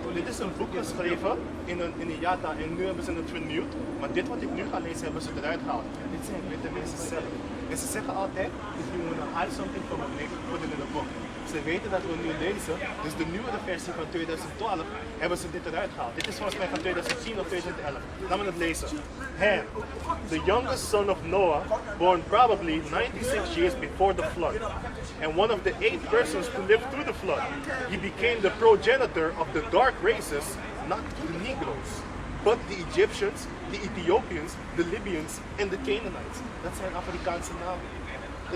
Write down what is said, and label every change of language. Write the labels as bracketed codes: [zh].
[nl] Dit is een boek geschreven in een jata en nu hebben ze het vernieuwd. Maar dit wat ik nu ga lezen hebben ze eruit gehaald. En dit zijn witte mensen zelf. En ze zeggen altijd, [en] if you want to hide something from a book, [nl] put it in a book. Ze weten dat we nu lezen, dus de nieuwe versie van 2012 hebben ze dit eruit gehaald. Dit is volgens mij van 2010 of 2011. Laten we het lezen. [en] Ham, the youngest son of Noah, born probably 96 years before the flood, and one of the 8 persons to live through the flood. He became the progenitor of the dark races, not the Negroes, but the Egyptians, the Ethiopians, the Libyans, and the Canaanites. [nl] Dat zijn Afrikaanse namen.